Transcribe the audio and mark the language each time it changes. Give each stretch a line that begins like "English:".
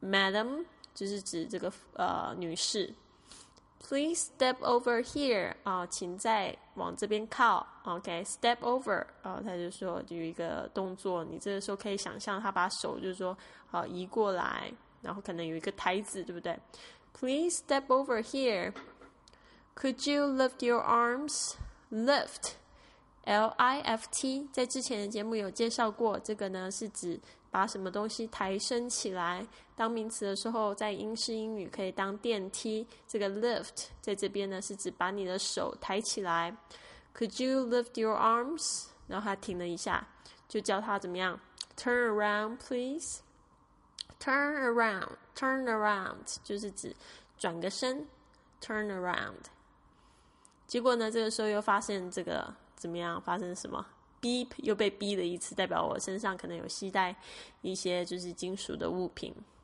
Chinese: Madam 就是指这个女士。
English: Please step over here、哦、
Chinese: 请再往这边靠。 OK
English: step over、
Chinese: 哦、他就说有一个动作，你这个时候可以想象他把手就是说、哦、移过来，然后可能有一个台子，对不对？
English: Please step over here. Could you lift your arms?
Chinese: Lift L-I-F-T 在之前的节目有介绍过，这个呢是指把什么东西抬升起来，当名词的时候在英式英语可以当电梯，这个 lift 在这边呢是指把你的手抬起来。
English: Could you lift your arms?
Chinese: 然后他停了一下，就叫他怎么样
English: turn around please，
Chinese: turn around， turn around 就是指转个身， turn around。结果呢这个时候又发现这个怎么样，发生什么beep 又被逼了一次，代表我身上可能有携带一些就是金属的物品。